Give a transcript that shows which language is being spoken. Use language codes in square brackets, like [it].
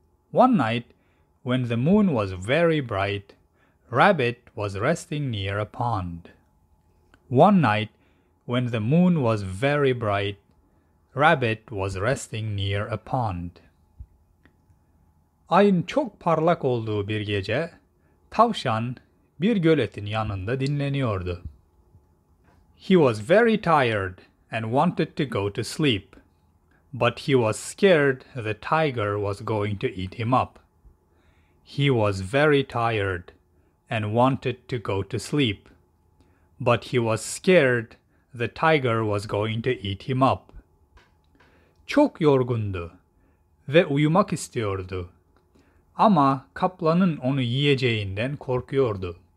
[en] One night, when the moon was very bright, Rabbit was resting near a pond. One night, when the moon was very bright, Rabbit was resting near a pond. [tr] Ayın çok parlak olduğu bir gece, Tavşan bir göletin yanında dinleniyordu. [en] He was very tired and wanted to go to sleep, but he was scared the tiger was going to eat him up. He was very tired and wanted to go to sleep, but he was scared the tiger was going to eat him up. [tr] Çok yorgundu ve uyumak istiyordu, ama kaplanın onu yiyeceğinden korkuyordu.